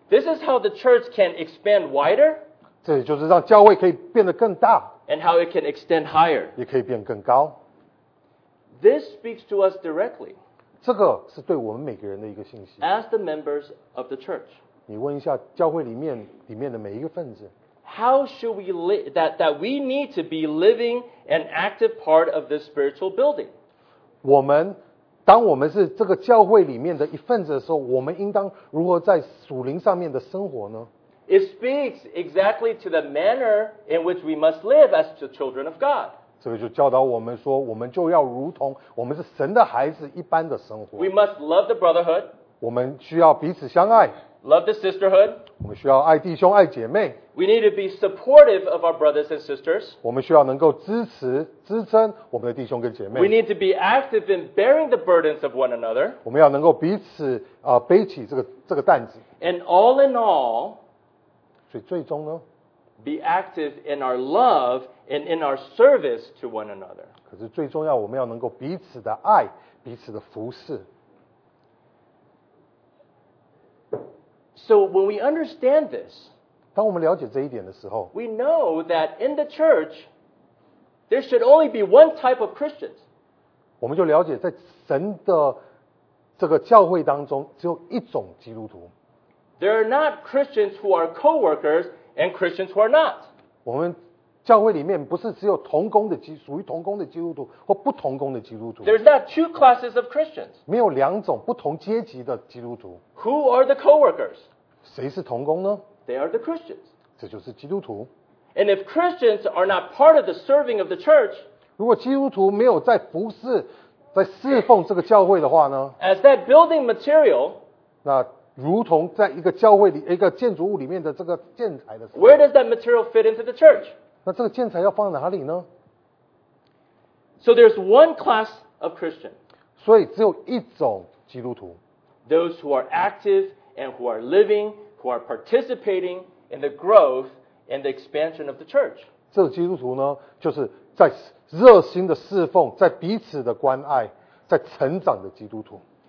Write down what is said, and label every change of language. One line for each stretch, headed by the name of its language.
English: This is how the church can expand wider.
Chinese: 这就是让教会可以变得更大。
English: And how it can extend higher.
Chinese: 也可以变更高。
English: This speaks to us directly.
Chinese: 这个是对我们每个人的一个信息。
English: As the members of the church.
Chinese: 你问一下教会里面的每一个分子。
English: How should we live, that we need to be living an active part of this spiritual building?
Chinese: 我们当我们是这个教会里面的一份子的时候，我们应当如何在属灵上面的生活呢？
English: It speaks exactly to the manner in which we must live as the children of God.
Chinese: 这个就教导我们说，我们就要如同我们是神的孩子一般的生活。
English: We must love the brotherhood.
Chinese: 我们需要彼此相爱。
English: Love the sisterhood.
Chinese: 我们需要爱弟兄爱姐妹。
English: We need to be supportive of our brothers and sisters.
Chinese: 我们需要能够支撑我们的弟兄跟姐妹。
English: We need to be active in bearing the burdens of one another.
Chinese: 我们要能够彼此背起这个担子。
English: And all in all,
Chinese: 所以最终呢
English: ？Be active in our love and in our service to one another.
Chinese: 可是最重要，我们要能够彼此的爱，彼此的服侍。
English: So when we understand this,
Chinese: 当我们了解这一点的时候
English: ，we know that in the church there should only be one type of Christians.
Chinese: 我们就了解，在神的这个教会当中，只有一种基督徒。
English: There are not Christians who are co-workers and Christians who are not.
Chinese: 我们教会里面不是只有同工的属于同工的基督徒或不同工的基督徒。
English: There's not two classes of Christians.
Chinese: 没有两种不同阶级的基督徒。
English: Who are the co-workers?
Chinese: 谁是同工呢
English: ？They are the Christians.
Chinese: 这就是基督徒。
English: And if Christians are not part of the serving of the church,
Chinese: 如果基督徒没有在服侍、在侍奉这个教会的话呢
English: ？As that building material,
Chinese: 那如同在一个教会里一个建筑物里面的这个建材的时候
English: Where does that material fit into the church?
Chinese: 那这个建材要放在哪里呢
English: So there's one class of Christian.
Chinese: 所以只有一种基督徒。
English: Those who are active and who are living, who are participating in the growth and the expansion of the church.
Chinese: 这个基督徒呢，就是在热心的侍奉，在彼此的关爱，在成长的基督徒。